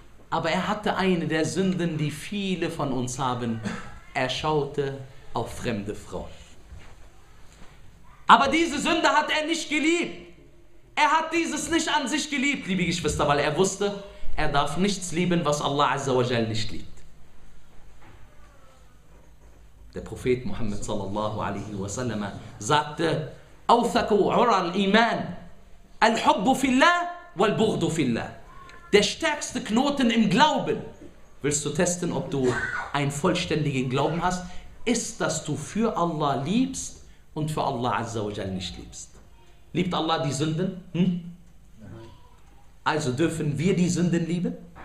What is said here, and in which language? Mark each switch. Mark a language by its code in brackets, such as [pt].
[de] Aber er hatte eine der Sünden, die viele von uns haben. Er schaute auf fremde Frauen. Aber diese Sünde hat er nicht geliebt. Er hat dieses nicht an sich geliebt, liebe Geschwister, weil er wusste, er darf nichts lieben, was Allah Azza wa Jal nicht liebt. Der Prophet [ar] Muhammad sallallahu alaihi wa sallam [de] sagte, [ar] أَوْثَكُ عُرَى الْإِيمَانِ الْحُبُّ فِي اللَّهِ وَالْبُغْضُ فِي اللَّهِ. [de] Der stärkste Knoten im Glauben. Willst du testen, ob du einen vollständigen Glauben hast? Ist, dass du für Allah liebst und für Allah Azza wa Jal nicht liebst. Liebt Allah die Sünden? Nein. Also dürfen wir die Sünden lieben?